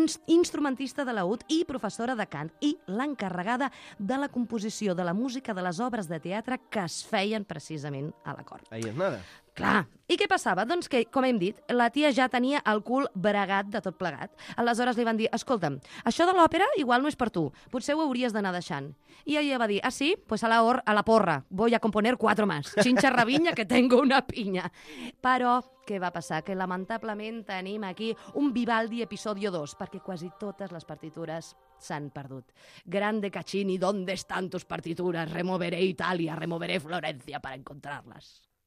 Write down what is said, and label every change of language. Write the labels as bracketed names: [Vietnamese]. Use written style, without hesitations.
[Catalan] Instrumentista de laúd i professora de cant. I l'encarregada de la composició de la música de les obres de teatre que es feien precisament a la cort. [Spanish] Ahí es nada. [Catalan] Clar. I què passava? Doncs que, com hem dit, la tia ja tenia el cul bregat de tot plegat. Aleshores li van dir: escolta'm, això de l'òpera igual no és per tu. Potser ho hauries d'anar deixant. I ella va dir: ah, sí? [Spanish] Pues a la porra. Voy a componer quatre más. Chincha rabiña que tengo una pinya. [Catalan] Però què va passar? Que lamentablement tenim aquí un Vivaldi episodio 2, perquè quasi totes les partitures s'han perdut. [Spanish] Grande Caccini, ¿dónde están tus partituras? Removeré Italia, removeré Florencia para encontrarlas.